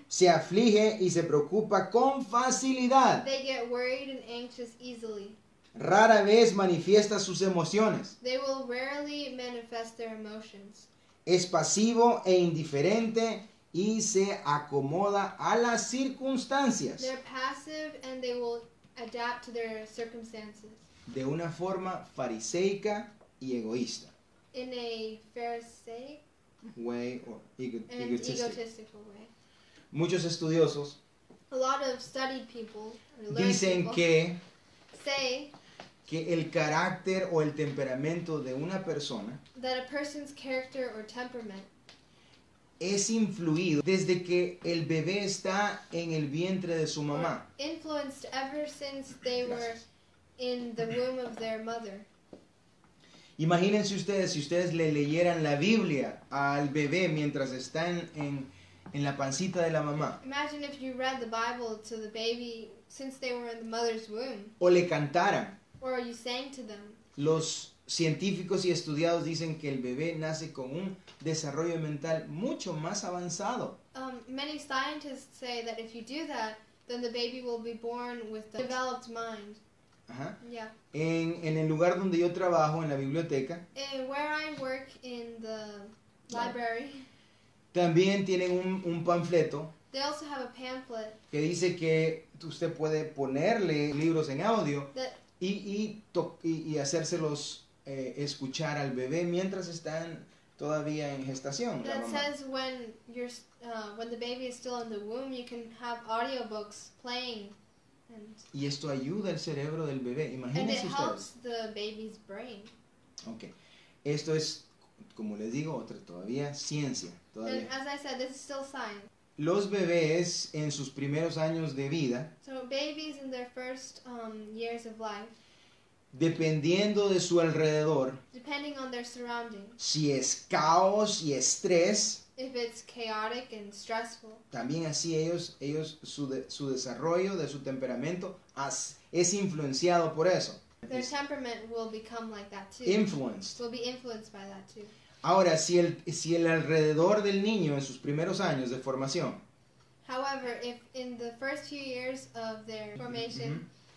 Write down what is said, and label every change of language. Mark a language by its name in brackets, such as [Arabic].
[Spanish] Se aflige y se preocupa con facilidad. [English] They get worried and anxious easily. [Spanish] Rara vez manifiesta sus emociones. [English] They will rarely manifest their emotions. [Spanish] Es pasivo e indiferente y se acomoda a las circunstancias. [English] They're passive and they will adapt to their circumstances. [Spanish] De una forma fariseica y egoísta. [English] In a pharisaic way or egotistical way. [Spanish] Muchos estudiosos, [English] a lot of studied people, [Spanish] dicen [English] people, [Spanish] que [English] say [Spanish] que el carácter o el temperamento de una persona, [English] that a person's character or temperament, [Spanish] es influido desde que el bebé está en el vientre de su mamá. [English] Influenced ever since they were in the womb of their mother. [Spanish] Imagínense ustedes, si ustedes le leyeran la Biblia al bebé mientras está en la pancita de la mamá. [English] Imagine if you read the Bible to the baby since they were in the mother's womb. [Spanish] O le cantaran. [English] Or you sang to them. [Spanish] Los científicos y estudiados dicen que el bebé nace con un desarrollo mental mucho más avanzado. [English] Many scientists say that if you do that, then the baby will be born with a developed mind. Ajá. Yeah. [Spanish] En el lugar donde yo trabajo, en la biblioteca, [English] where I work in the library, [Spanish] también tienen un panfleto. [English] They also have a pamphlet [Spanish] que dice que usted puede ponerle libros en audio y hacérselos escuchar al bebé mientras están todavía en gestación. [English] That says when the baby is still in the womb, you can have audiobooks playing. [Spanish] Y esto ayuda al cerebro del bebé. Imagínense ustedes. [English] And it helps the baby's brain. [Spanish] Okay. Esto es, como les digo, todavía ciencia. Todavía. [English] And as I said, this is still science. [Spanish] Los bebés en sus primeros años de vida, [English] so babies in their first years of life, [Spanish] dependiendo de su alrededor, [English] depending on their surroundings, [Spanish] si es caos y estrés, [English] if it's chaotic and stressful, [Spanish] también así ellos su desarrollo de su temperamento es influenciado por eso. [English] Their temperament will become like that too. Influenced. Will be influenced by that too. [Spanish] Ahora, si el alrededor del niño en sus primeros años de formación, [English] however, if in the first few years of their formation,